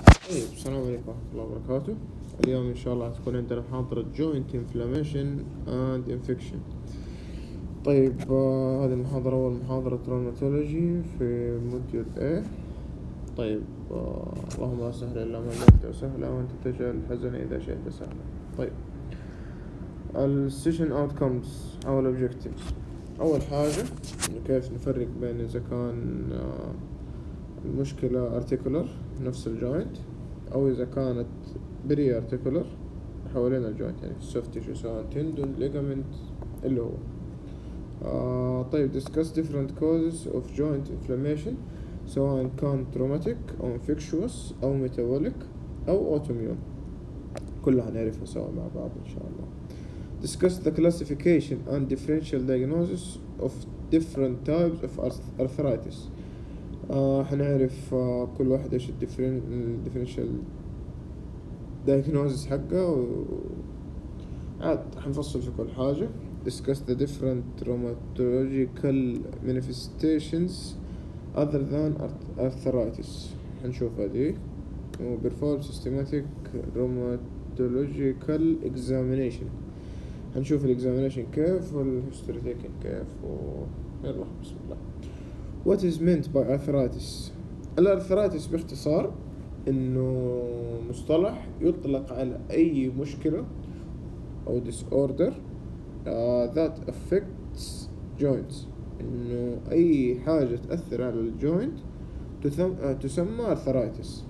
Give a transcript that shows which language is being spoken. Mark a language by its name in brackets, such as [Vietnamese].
[Arabic] السلام عليكم ورحمة الله وبركاته. اليوم إن شاء الله تكون عندنا محاضرة [English] Joint Inflammation and Infection. [Arabic] طيب هذه المحاضرة أول محاضرة Traumatology في موديول A. طيب اللهم لا سهل إلا ما جعلته سهلا وأنت تجعل الحزن إذا شئت سهلا. [English] طيب Session Outcomes أو Objectives. [Arabic] أول حاجة كيف نفرق بين إذا كان المشكلة articular نفس الجوينت أو إذا كانت بري articular حوالين الجوينت يعني soft tissue سواء tendon ligament اللي هو طيب [English] discuss different causes of joint inflammation [Arabic] سواء كان traumatic أو infectious أو metabolic أو autoimmune كلها نعرفها سواء مع بعض إن شاء الله. [English] Discuss the classification and differential diagnosis of different types of arthritis. [Arabic] حنعرف كل واحد ايش الديفرنشال دايجنوزيس حقه عاد حنفصل في كل حاجة. [English] Discuss the different rheumatological manifestations other than arthritis. [Arabic] حنشوف هذه و [English] perform systematic rheumatological examination. [Arabic] حنشوف الاكزامينيشن كيف والهيستوري تيكن كيف يلا بسم الله. [English] What is meant by arthritis؟ [Arabic] الارثرايتس باختصار انه مصطلح يطلق على اي مشكلة او [English] disorder that affects joints [Arabic] انه اي حاجة تأثر على الجوينت تسمى arthritis.